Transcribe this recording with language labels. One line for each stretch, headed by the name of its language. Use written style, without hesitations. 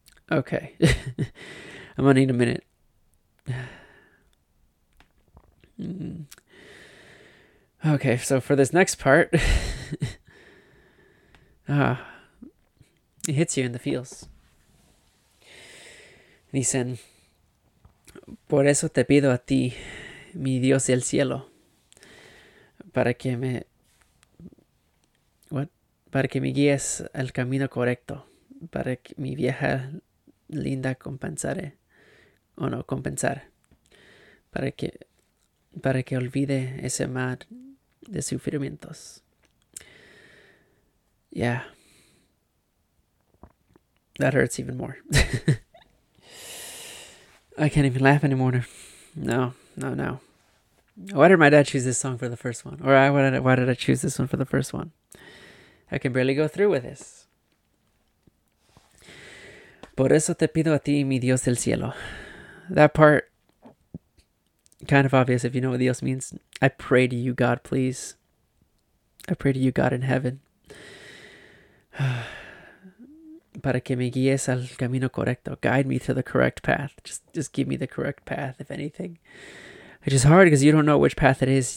English: Okay. I'm gonna need a minute. Okay, so for this next part, it hits you in the feels.
Spanish: Dicen, por eso te pido a ti, mi Dios del cielo, para que me...
English: What?
Spanish: Para que me guíes al camino correcto, para que mi vieja linda compensare, o no, compensar, para que olvide ese mar de sufrimientos.
English: Yeah. That hurts even more. I can't even laugh anymore. No. Why did my dad choose this song for the first one? Why did I choose this one for the first one? I can barely go through with this.
Spanish: Por eso te pido a ti, mi Dios del cielo.
English: That part, kind of obvious if you know what Dios means. I pray to you, God, please. I pray to you, God, in heaven.
Spanish: Para que me guíes al camino correcto.
English: Guide me to the correct path. Just give me the correct path, if anything. Which is hard because you don't know which path it is.